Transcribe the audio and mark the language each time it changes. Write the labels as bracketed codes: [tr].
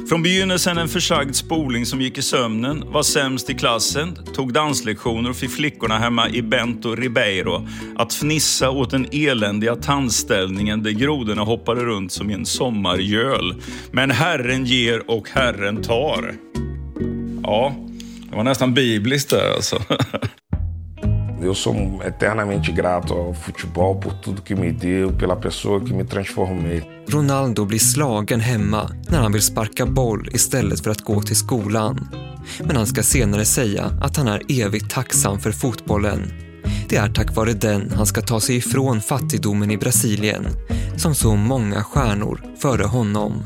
[sv] Från begynnelsen en försagd spoling som gick i sömnen, var sämst i klassen, tog danslektioner och fick flickorna hemma i Bento Ribeiro att fnissa åt den eländiga tandställningen där grodorna hoppade runt som en sommargöl. Men Herren ger och Herren tar. Ja, det var nästan bibliskt där alltså. [pt] Eu sou eternamente grato ao futebol por tudo que me deu, pela pessoa que me transformei. [sv] Ronaldo blir slagen hemma när han vill sparka boll istället för att gå till skolan. Men han ska senare säga att han är evigt tacksam för fotbollen. Det är tack vare den han ska ta sig ifrån fattigdomen i Brasilien, som så många stjärnor före honom.